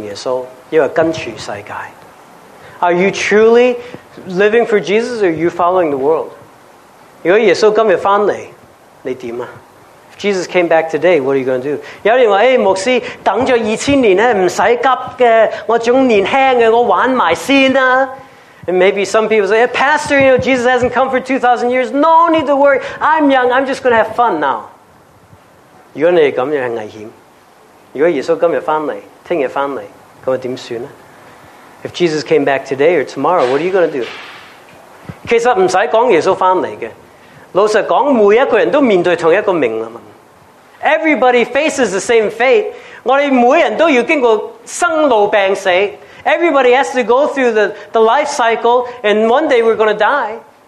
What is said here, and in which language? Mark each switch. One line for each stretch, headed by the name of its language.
Chinese: 如果你这样，你可能要反省自己，你是认真跟从耶稣，因为跟随世界。
English: Are you truly living for Jesus or are you following the world?
Chinese: 如果耶稣今天回来,你怎样?
English: If Jesus came back today, what are you going to do?
Chinese: 有人说,牧师,等了2000年,不用急,我还年轻,我先玩了。
English: And maybe some people say, Pastor, you know, Jesus hasn't come for 2,000 years. No need to worry, I'm young, I'm just going to have fun now.
Chinese: 如果你这样,是危险。如果耶稣今天回来,明天回来,那么怎么办呢?
English: If Jesus came back today or tomorrow, what are you going to do?
Chinese: 其实不用说耶稣回来的。老实说,每一个人都面对同一个命运。
English: Everybody faces the same fate.
Chinese: 我们每人都要经过生老病死。
English: Everybody has to go through the life cycle, and one day we're going to die.